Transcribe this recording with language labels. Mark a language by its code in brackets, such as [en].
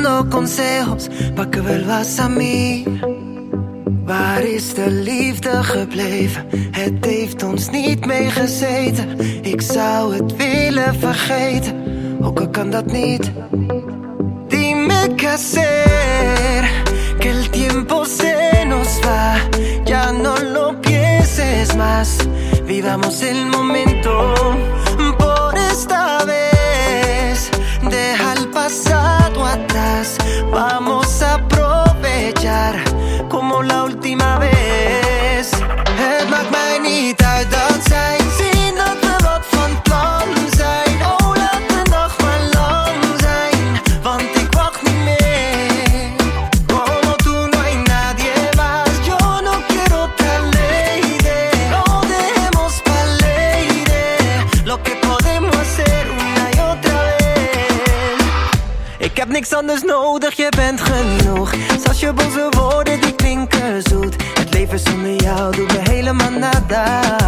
[es] Consejos pa' que vuelvas a mí. [nl] Waar is de liefde gebleven? Het heeft ons niet meegezeten. Ik zou het willen vergeten. Hoe kan dat niet? [es] Dime qué hacer, que el tiempo se nos va. Ya no lo pienses más. Vivamos el momento. Por esta vez, deja el pasado. Vamos a aprovechar como la última vez. [nl] Het maakt mij niet uit dat zij zien dat we wat van plan zijn. Oh, laat de dag maar lang zijn, want ik wacht niet meer. [es] Como tú no hay nadie más, yo no quiero otra lady. Lo dejemos pa' lady, lo que podemos hacer una y otra vez. [nl] Ik heb niks anders nodig, je bent genoeg. Zelfs je boze woorden die klinken zoet. Het leven zonder jou doet me helemaal nada.